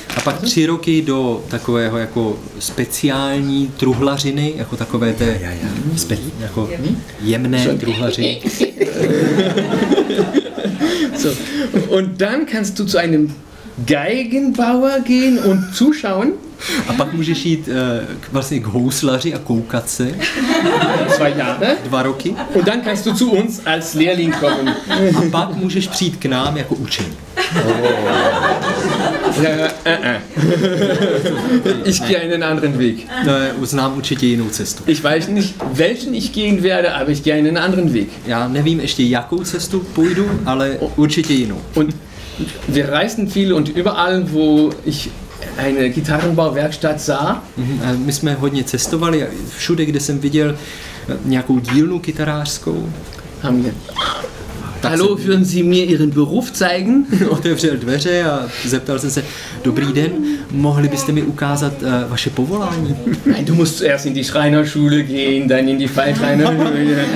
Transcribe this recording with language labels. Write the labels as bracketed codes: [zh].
[cs] A pak 3 roky do takového jako speciální truhlařiny, jako takové té jako jemné truhlařiny. So. [de] Und dann kannst du zu einem Geigenbauer gehen und zuschauen. [cs] A pak můžeš jít vlastně k houslaři a koukat se. [de] 2 Jahre. [cs] 2 roky. [de] Und dann kannst du zu uns als Lehrling kommen. [cs] A pak můžeš přijít k nám jako učení. [de] Ich gehe einen anderen Weg. [cs] Uznám určitě jinou cestu. [de] Ich weiß nicht, welchen ich gehen werde, aber ich gehe einen anderen Weg. [cs] Já nevím ještě, jakou cestu půjdu, ale určitě jinou. [de] Und wir reisten viel und überall, wo ich eine Gitarrenbauwerkstatt sah. [cs] My jsme hodně cestovali, všude, kde jsem viděl nějakou dílnu kytarářskou. Haben wir Tak Hallo, se... [de] würden Sie mir Ihren Beruf zeigen? [cs] Otevřel dveře a zeptal jsem se, dobrý den, mohli byste mi ukázat vaše povolání? [de] Nein, du musst zuerst in die Schreinerschule gehen, dann in die Pfeilschreinerschule.